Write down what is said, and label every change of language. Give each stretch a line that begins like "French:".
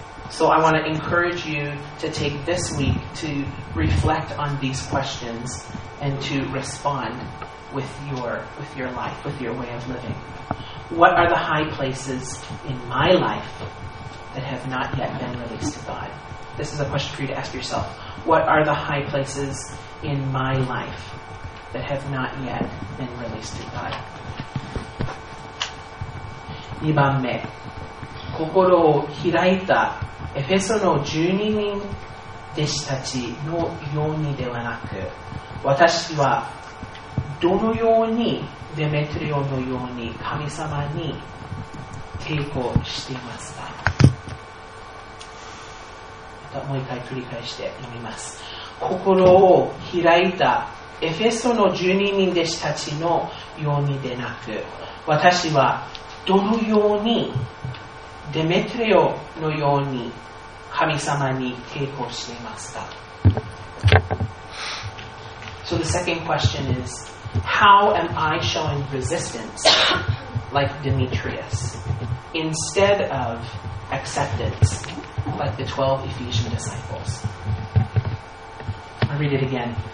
English: So I want to encourage you to take this week to reflect on these questions and to respond with your life, with your way of living. What are the high places in my life that have not yet been released to God? This is a question for you to ask yourself. What are the high places in my life that have not yet been released to God?
Japanese: 2番目、心を開いたエフェソの12人弟子たちのようにではなく、私はどのようにデメトリオのように神様に抵抗していますか。またもう一回繰り返して読みます。心を開いたエフェソの12人弟子たちのようにでなく、私はどのようにデメトリオのように神様に抵抗していますか。
English: So the second question is, how am I showing resistance like Demetrius instead of acceptance like the 12 Ephesian disciples? I read it again.